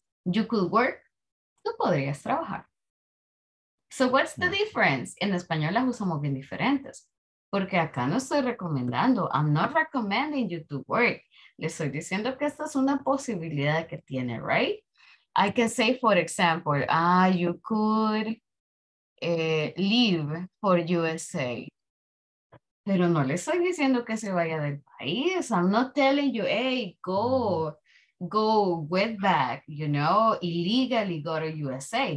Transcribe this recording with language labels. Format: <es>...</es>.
<en>You could work,</en> <es>tú podrías trabajar.</es> <en>So what's the difference?</en> <es>En español las usamos bien diferentes, porque acá no estoy recomendando,</es> <en>I'm not recommending you to work.</en> <es>Le estoy diciendo que esta es una posibilidad que tiene, right?</es> <en>I can say, for example, you could leave for USA.</en> <es>Pero no le estoy diciendo que se vaya del país.</es> <en>I'm not telling you, hey, go. Go way back, you know, illegally go to USA.</en>